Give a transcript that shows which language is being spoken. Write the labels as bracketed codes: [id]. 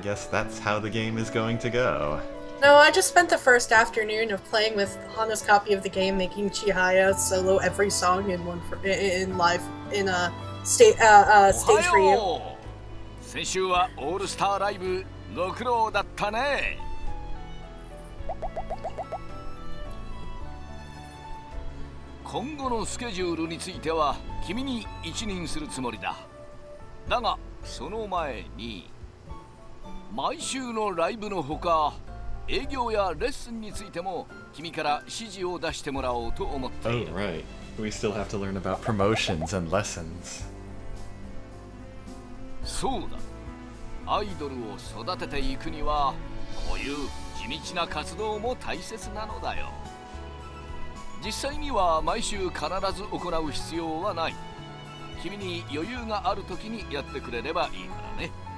[en] That's how the game is going to go. No, I just spent the first afternoon of playing with Hana's copy of the game, making Chihaya solo every song in one for, in live in a state stage for you. [ja] 先週はオールスターライブご苦労だったね。今後のスケジュールについては君に一任するつもりだ。だがその前に。毎週のライブのほか、営業やレッスンについても君から指示を出してもらおうと思っている。 [en] Oh, right. We still have to learn about promotions and lessons. [ja] そうだ。アイドルを育てていくには、こういう地道な活動も大切なのだよ。実際には毎週必ず行う必要はない。君に余裕があるときにやってくれればいいからね。